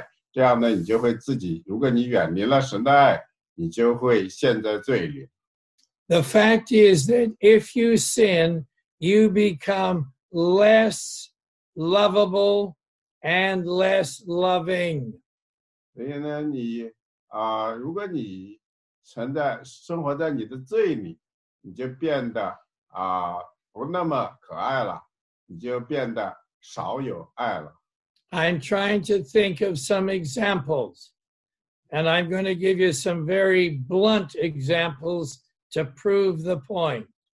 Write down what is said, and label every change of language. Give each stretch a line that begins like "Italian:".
Chinese: 我的想法呢，就是你把你自己保留在神的爱里，不要漂流，不要远离神的爱，这样呢，你就会自己，如果你远离了神的爱， 你就会陷在罪里。
English: The fact is that if you sin, you become less lovable and less loving.
Chinese: 所以呢，你如果你存在生活在你的罪里，你就变得不那么可爱了，你就变得少有爱了。
English: I'm trying to think of some examples. And I'm going to give you some very blunt examples to prove the point.